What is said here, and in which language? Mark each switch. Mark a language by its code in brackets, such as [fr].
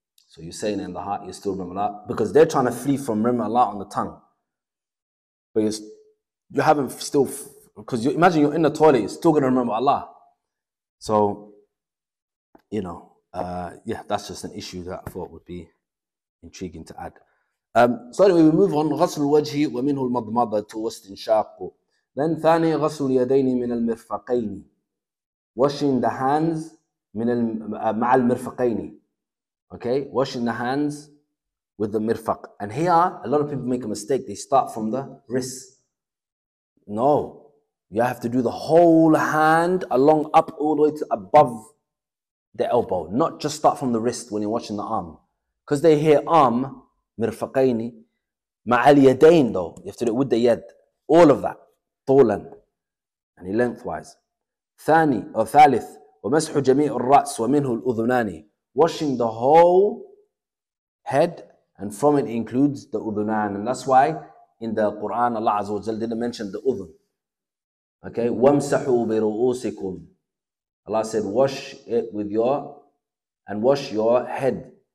[en] So you're saying in the heart, you still remember Allah. Because they're trying to flee from remembering Allah on the tongue. But you haven't still Because you imagine you're in the toilet, you're still gonna remember Allah. So, you know, yeah, that's just an issue that I thought would be intriguing to add. So anyway, we move on. [ar] غسل الوجه ومنه المضمضة والاستنشاق. [en] Then [ar] ثاني غسل اليدين من المرفقين. [en] Washing the hands [ar] من مع المرفقين. [en] Okay, washing the hands with the mirfaq. And here, a lot of people make a mistake. They start from the wrist. No, you have to do the whole hand along up all the way to above the elbow. Not just start from the wrist when you're washing the arm. Because they hear arm, [ar] مرفقين مع اليدين [en] though. You have to do it with the yad. All of that. طولاً. And lengthwise. [ar] ثاني أو ثالث ومسح جميع الرأس ومنه الأذنان. [en] Washing the whole head and from it includes the udhunan. And that's why in the Quran, Allah Azza wa Jalla didn't mention the udhun. Okay? [ar] وَمْسَحُوا بِرُؤُوسِكُمْ. [en] Allah said, wash it with your, and wash your head.